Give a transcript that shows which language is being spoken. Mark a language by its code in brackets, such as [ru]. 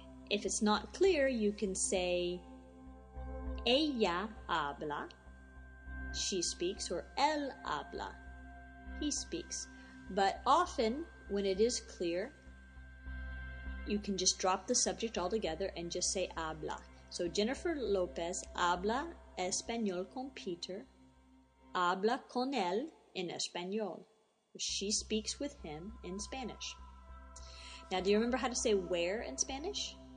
[en] If it's not clear, you can say [es] ella habla, [en] she speaks, or [es] él habla, [en] he speaks. But often, when it is clear, you can just drop the subject altogether and just say habla. [es] So Jennifer Lopez habla español con Peter, habla con él en español. [en] She speaks with him in Spanish. Now, do you remember how to say where in Spanish?